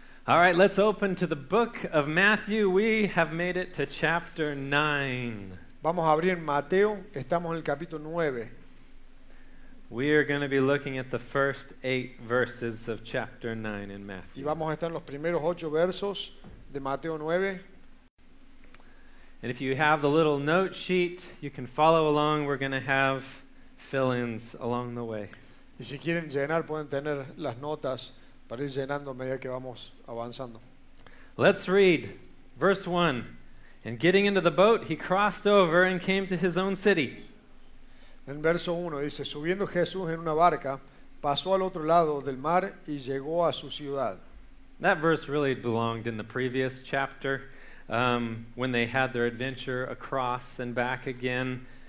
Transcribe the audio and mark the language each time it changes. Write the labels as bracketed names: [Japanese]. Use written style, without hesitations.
[English] All right, let's open to the book of Matthew. We have made it to chapter 9. [Spanish] Vamos a abrir Mateo. Estamos en el capítulo 9. [English] We are going to be looking at the first 8 verses of chapter 9 in Matthew. [Spanish] Y vamos a estar en los primeros 8 versos de Mateo 9. [English] And if you have the little note sheet, you can follow along. We're going to have fill-ins along the way. [Spanish] Y si quieren llenar, pueden tener las notas para ir llenando a medida que vamos avanzando. [English] Let's read verse 1. And getting into the boat, he crossed over and came to his own city. [Spanish] En verso 1 dice, subiendo Jesús en una barca, pasó al otro lado del mar y llegó a su ciudad. [English] That verse really belonged in the previous chapter, when they had their adventure across and back again.